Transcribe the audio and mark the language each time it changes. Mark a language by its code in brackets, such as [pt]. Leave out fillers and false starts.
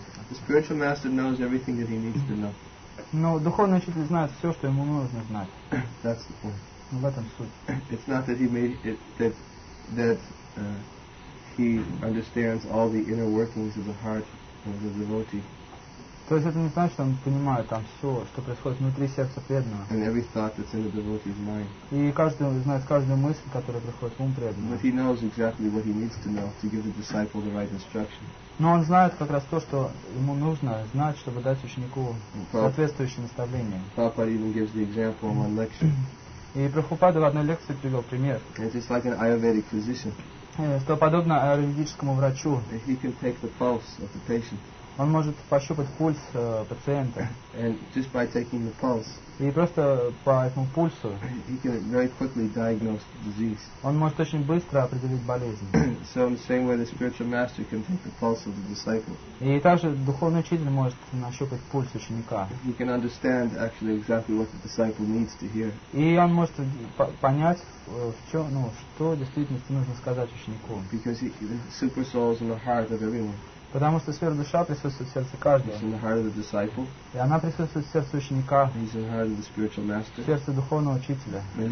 [en] The spiritual master knows everything that he needs to know. [ru] Но духовный учитель знает все, что ему нужно знать. [en] That's the point. [ru] В этом суть. [en] It's not that he may that he understands all the inner workings of the heart of the devotee. [ru] То есть это не значит, что он понимает там все, что происходит внутри сердца преданного. [en] And every thought that's in the devotee's mind. [ru] И каждый знает каждую мысль, которая приходит в ум преданного. [en] But he knows exactly what he needs to know to give the disciple the right instruction. [ru] Но он знает как раз то, что ему нужно знать, чтобы дать ученику соответствующее наставление. [en] Prabhupada even gives the example in one lecture. [ru] И Прабхупада в одной лекции привел пример. [en] It is like an Ayurvedic physician. [ru] Что подобно аюрведическому врачу. [en] He can take the pulse of the patient. [ru] Он может пощупать пульс пациента. [en] And just by taking the pulse. [ru] И просто по этому пульсу. [en] He can very quickly diagnose the disease. [ru] Он может очень быстро определить болезнь. [en] So in the same way, the spiritual master can take the pulse of the disciple. [ru] И также духовный учитель может нащупать пульс ученика. [en] He can understand actually exactly what the disciple needs to hear. [ru] И он может понять, что действительно нужно сказать ученику. [en] Because the super soul is in the heart of everyone. [ru] Потому что сфера душа присутствует в сердце каждого. И она присутствует в сердце ученика. В сердце духовного учителя.